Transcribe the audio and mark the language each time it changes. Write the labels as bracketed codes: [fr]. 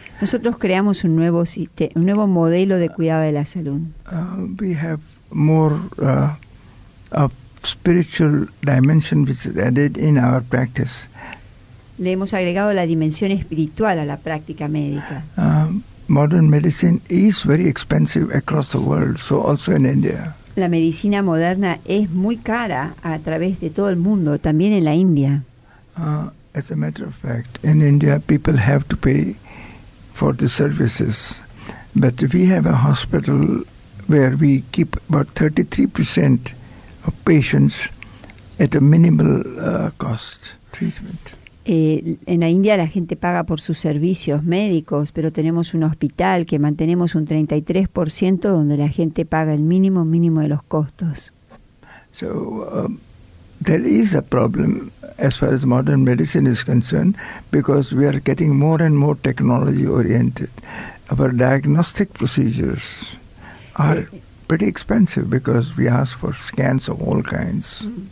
[es] Nosotros creamos un nuevo modelo de cuidado de la salud. [en] We have more of spiritual dimension which is added in our practice. [es] Le hemos agregado la dimensión espiritual a la práctica médica. [en] Modern medicine is very expensive across the world, so also in India. [es] La medicina moderna es muy cara a través de todo el mundo, también en la India. [en] As a matter of fact, in India people have to pay for the services. But we have a hospital where we keep about 33% of patients at a minimal cost treatment. [es] En la India la gente paga por sus servicios médicos, pero tenemos un hospital que mantenemos un 33% donde la gente paga el mínimo de los costos. [en] So there is a problem as far as modern medicine is concerned, because we are getting more and more technology oriented. Our diagnostic procedures are pretty expensive because we ask for scans of all kinds.